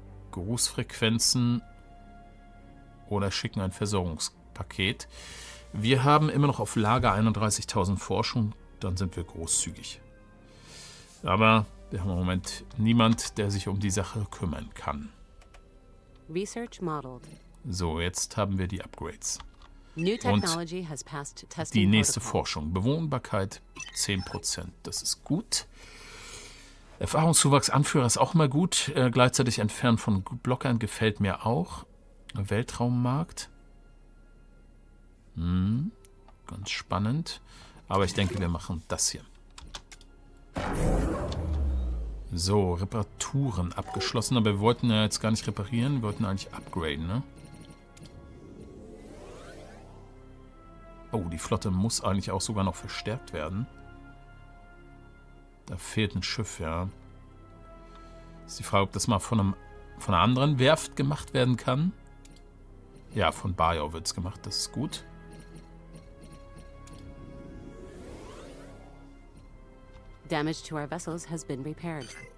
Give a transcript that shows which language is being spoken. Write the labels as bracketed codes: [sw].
[de] Grußfrequenzen. Oder schicken ein Versorgungspaket. Wir haben immer noch auf Lager 31.000 Forschung. Dann sind wir großzügig. Aber wir haben im Moment niemand, der sich um die Sache kümmern kann. [en] Research modeled. [de] So, jetzt haben wir die Upgrades. [en] New technology has passed testing. [de] Die nächste Forschung. Bewohnbarkeit 10%. Das ist gut. Erfahrungszuwachs Anführer ist auch mal gut. Gleichzeitig entfernt von Blockern gefällt mir auch. Weltraummarkt. Ganz spannend. Aber ich denke, wir machen das hier. So, Reparaturen abgeschlossen. Aber wir wollten ja jetzt gar nicht reparieren. Wir wollten eigentlich upgraden, ne? Oh, die Flotte muss eigentlich auch sogar noch verstärkt werden. Da fehlt ein Schiff, ja. Ist die Frage, ob das mal von einer anderen Werft gemacht werden kann. Ja, von Bayor wird es gemacht, das ist gut. [en] Damage to our vessels has been repaired.